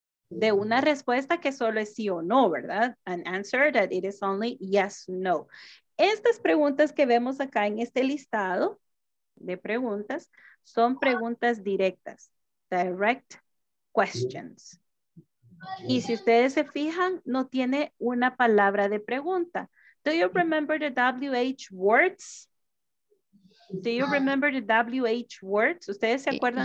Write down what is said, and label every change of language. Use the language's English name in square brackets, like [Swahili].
[Spanish] De una respuesta que solo es sí o no, ¿verdad? [English] An answer that it is only yes, no. [Spanish] Estas preguntas que vemos acá en este listado de preguntas son preguntas directas, [English] direct questions. [Spanish] Y si ustedes se fijan, no tiene una palabra de pregunta. [English] Do you remember the WH words? Do you remember the WH words? [Spanish] ¿Ustedes se acuerdan